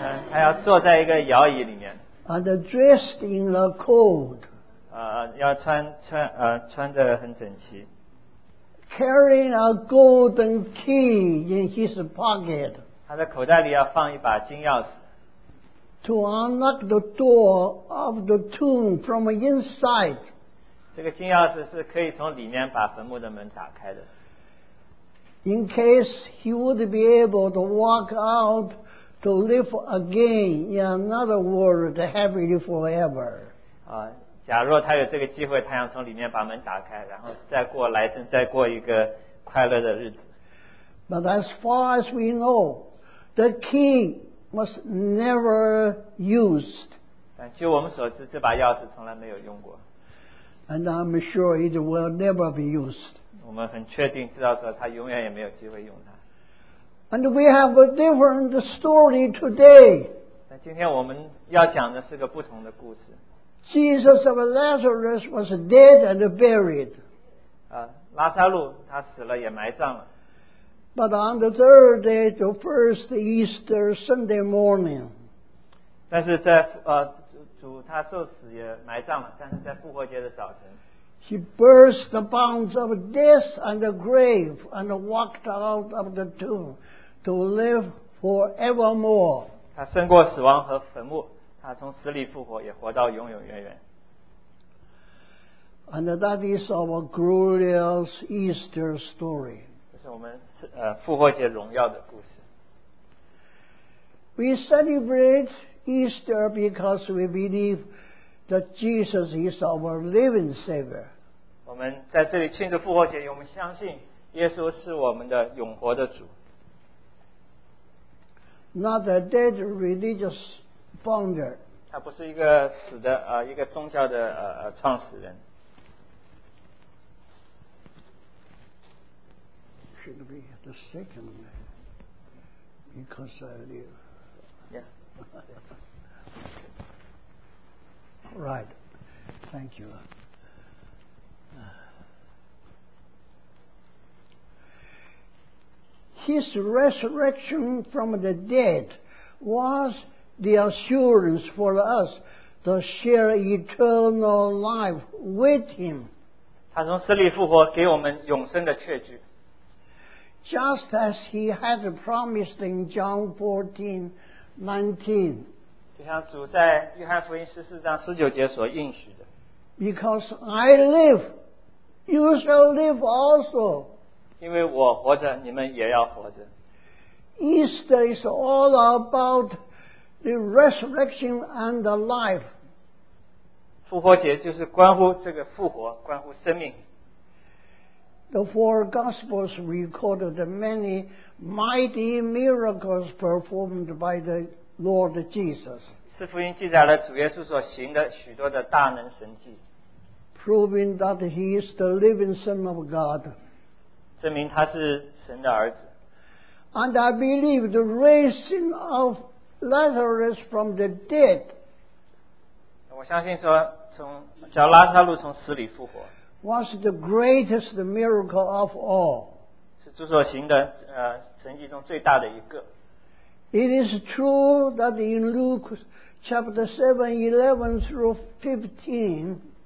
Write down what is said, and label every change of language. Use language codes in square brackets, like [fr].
[zh] 他要坐在一个摇椅里面。 [en] And dressed in a coat. [zh] 要穿着很整齐。 [en] Carrying a golden key in his pocket. [zh] 他的口袋里要放一把金钥匙。 [en] To unlock the door of the tomb from inside. [zh] 这个金钥匙是可以从里面把坟墓的门打开的。 [en] In case he would be able to walk out to live again in another world happily forever. [zh] 啊，假若他有这个机会，他想从里面把门打开，然后再过来生，再过一个快乐的日子。 [en] But as far as we know, the key was never used. [zh] 但据我们所知，这把钥匙从来没有用过。 [en] And I'm sure it will never be used. [zh] 我们很确定知道说，他永远也没有机会用它。 [en] And we have a different story today. [zh] 但今天我们要讲的是个不同的故事。 [en] Jesus of Lazarus was dead and buried. [zh] 拉撒路他死了也埋葬了。 [en] But on the third day, the first Easter Sunday morning. [zh] 但是在主他受死也埋葬了，但是在复活节的早晨。 [en] He burst the bonds of death and the grave and walked out of the tomb to live forevermore. [zh] 他胜过死亡和坟墓。他从死里复活，也活到永永远远。 [en] And that is our glorious Easter story. [zh] 这是我们复活节荣耀的故事。 [en] We celebrate Easter because we believe that Jesus is our living Savior. [zh] 我们在这里庆祝复活节，我们相信耶稣是我们的永活的主。 [en] Not a dead religious. Founder. [zh] 他不是一个死的一个宗教的创始人。 [en] Should be the second because I live. Yeah. Right. Thank you. His resurrection from the dead was. The assurance for us to share eternal life with Him. [zh] 他从死里复活，给我们永生的确据。 [en] Just as He had promised in John 14:19. [zh] 就像主在约翰福音14:19所应许的。 [en] Because I live, you shall live also. [zh] 因为我活着，你们也要活着。 [en] Easter is all about. The resurrection and the life. [zh] 复活节就是关乎这个复活，关乎生命。 [en] The four Gospels recorded many mighty miracles performed by the Lord Jesus. [zh] 四福音记载了主耶稣所行的许多的大能神迹。 [en] Proving that he is the living Son of God. [zh] 证明他是神的儿子。 [en] And I believe the raising of Lazarus from the dead. [zh] 我相信说从叫拉撒路从死里复活 [en] was the greatest miracle of all. [zh] 是主所行的神迹中最大的一个。 [en] It is true that in Luke chapter 7:11 through 15,